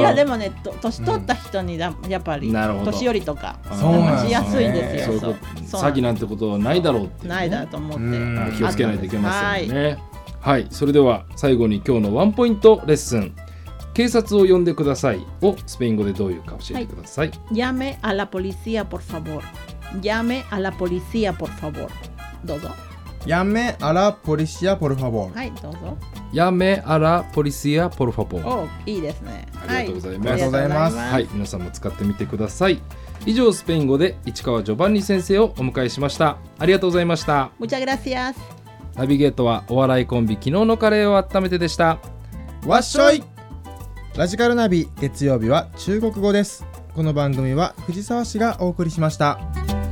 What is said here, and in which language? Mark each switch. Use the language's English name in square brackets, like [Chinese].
[Japanese] いやでもね、年取った人にやっぱり、うん、年寄りとか騙しやすいんですよ。そうそう、詐欺なんてことはないだろうって、ね、ないだと思って、うん、気をつけないといけませんね。はい、はい、それでは最後に今日のワンポイントレッスン、警察を呼んでくださいをスペイン語でどういうか教えてください。 [Spanish] Llame a la policía por favor. Llame a la policía por favor. [Japanese] どうぞ。 [Spanish] Llame a la policía por favor. [Japanese] はい、どうぞ。 [Spanish] Llame a la policía por favor. [Japanese] お、いいですね。ありがとうございます、はい、ありがとうございます。はい、皆さんも使ってみてください。以上、スペイン語で市川ジョバンニ先生をお迎えしました。ありがとうございました。 [Spanish] Muchas gracias。 [Japanese] ナビゲートはお笑いコンビ昨日のカレーを温めてでした。わっしょい。ラジカルナビ月曜日は中国語です。この番組は藤沢氏がお送りしました。